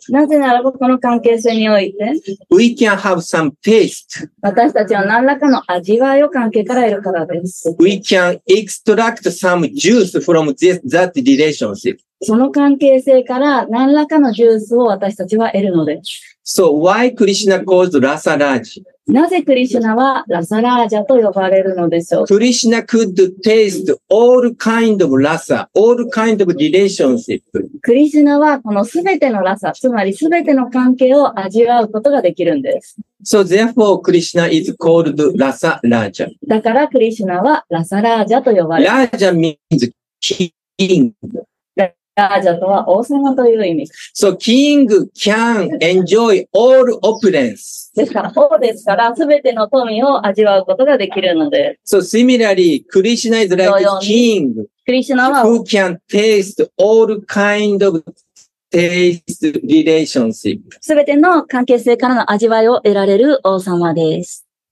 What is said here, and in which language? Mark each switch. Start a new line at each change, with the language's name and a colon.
Japanese: なぜならばこの関係性において、
English: we can have some taste.
Japanese: 私たちは何らかの味わいを関係から得るからです。
English: We can extract some juice from this, that relationship.
Japanese: その関係性から何らかのジュースを私たちは得るのです。
English: So why Krishna calls Rasa Raj?
Japanese: なぜクリシュナはラサラージャと呼ばれるのでしょう。
English: クリシュナ could taste all kind of rasa, all kind of relationship.
Japanese: クリシュナはこのすべてのラサ、つまりすべての関係を味わうことができるんです。
English: So therefore, Krishna is called Rasa Raja.
Japanese: だからクリシュナはラサラージャと呼ばれる。
English: ラージャ means king.
Japanese: ラージャとは王様という意味。
English: So king can enjoy all opulence.
Japanese: ですから王ですから全ての富を味わうことができるので。
English: So similarly, Krishna is like king.
Japanese: クリシュナは
English: who can taste all kind of taste relationship.
Japanese: 全ての関係性からの味わいを得られる王様です。